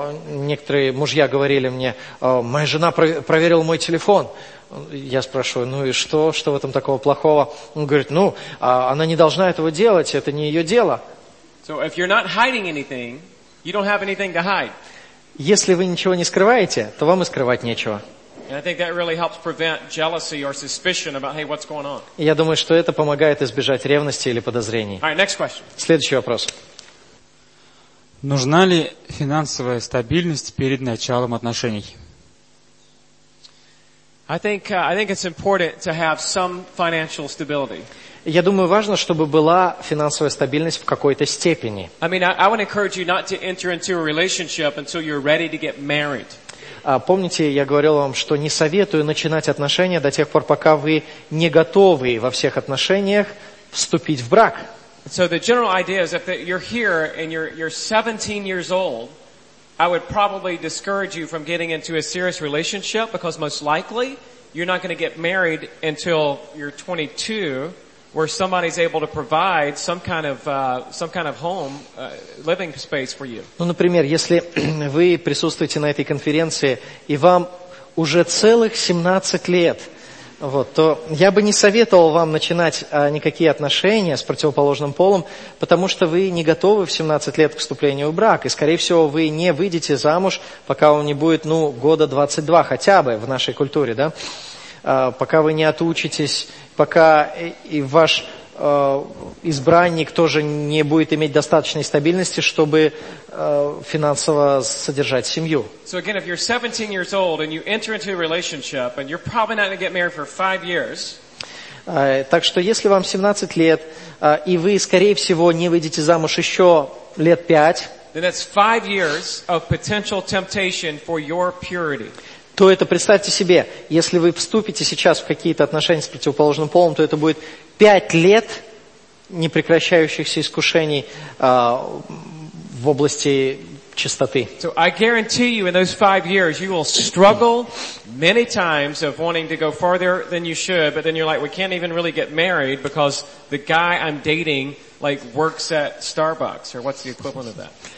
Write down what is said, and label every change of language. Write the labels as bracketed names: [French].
[Russian] Некоторые мужья говорили мне, моя жена проверила мой телефон. Я спрашиваю, ну и что? Что в этом такого плохого? Он говорит, ну, она не должна этого делать, это не ее дело. [English] So if you're not hiding anything, you don't have anything to hide. [Russian] Если вы ничего не скрываете, то вам и скрывать нечего. [English] And I think that really helps prevent jealousy or suspicion about, hey, what's going on. [Russian] Я думаю, что это помогает избежать ревности или подозрений. [English] All right, next question. [Russian] Следующий вопрос. Нужна ли финансовая стабильность перед началом отношений? [English] I think it's important to have some financial stability. [Russian] Я думаю, важно, чтобы была финансовая стабильность в какой-то степени. [English] I mean, I want to encourage you not to enter into a relationship until you're ready to get married. [Russian] Помните, я говорил вам, что не советую начинать отношения до тех пор, пока вы не готовы во всех отношениях вступить в брак. [English] So the general idea is that you're here and you're 17 years old, I would probably discourage you from getting into a serious relationship because most likely you're not going to get married until you're 22, where somebody's able to provide some kind of home, living space for you. [Russian] Ну, например, если вы присутствуете на этой конференции и вам уже целых 17 лет, вот, то я бы не советовал вам начинать никакие отношения с противоположным полом, потому что вы не готовы в 17 лет к вступлению в брак, и, скорее всего, вы не выйдете замуж, пока вам не будет, ну, года 22 хотя бы в нашей культуре, да? Пока вы не отучитесь, пока и ваш избранник тоже не будет иметь достаточной стабильности, чтобы финансово содержать семью. [English] So again, if you're 17 years old and you enter into a relationship and you're probably not going to get married for 5 years. [Russian] Так что если вам 17 лет, и вы, скорее всего, не выйдете замуж еще лет 5, [English] then that's 5 years of potential temptation for your purity. [Russian] То это, представьте себе, если вы вступите сейчас в какие-то отношения с противоположным полом, то это будет 5 лет непрекращающихся искушений в области чистоты. [English] So I guarantee you in those 5 years you will struggle many times of wanting to go farther than you should, but then you're like, we can't even really get married because the guy I'm dating like works at Starbucks, or what's the equivalent of that?